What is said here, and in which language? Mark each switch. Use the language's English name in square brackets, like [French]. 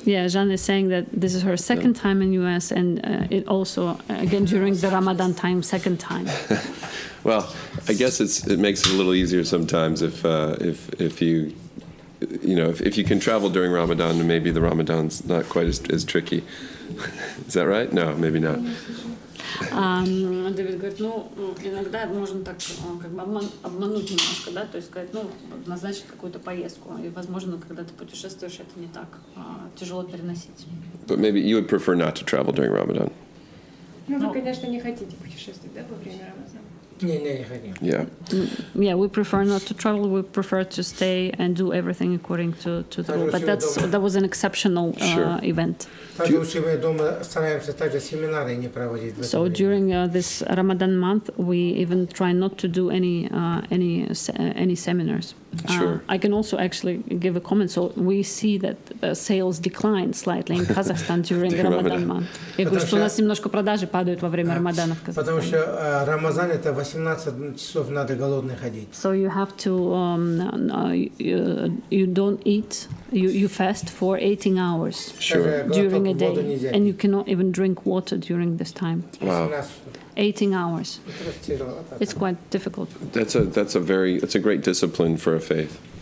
[English] Yeah, Joanna is saying that this is her second time in U.S. and it also, again, during the Ramadan time, second time. Well, I guess it makes it a little easier sometimes if you you know, if you can travel during Ramadan, maybe the Ramadan's not quite as tricky. Is that right? No, maybe not. [Russian] Дэвид говорит, ну, иногда можно так как бы обмануть немножко, да, то есть сказать, ну, назначить какую-то поездку, и, возможно, когда ты путешествуешь, это не так тяжело переносить. [English] But maybe you would prefer not to travel during Ramadan. [Russian] Ну, вы, конечно, не хотите путешествовать, да, во время Рамазана. [English] Yeah. Yeah, we prefer not to travel. We prefer to stay and do everything according to the rule. But that was an exceptional event. So during this Ramadan month, we even try not to do any seminars. Sure. I can also actually give a comment. So we see that sales declined slightly in Kazakhstan during the Ramadan month. [Russian] Я говорю, что у нас немножко продажи падают во время Рамадана в Казахстане. Потому что Рамазан это 18 часов надо голодный ходить. [English] So you have to you don't eat, you fast for 18 hours. Sure. During a day. And you cannot even drink water during this time. Wow. 18 hours. It's quite difficult. That's a great discipline for a faith.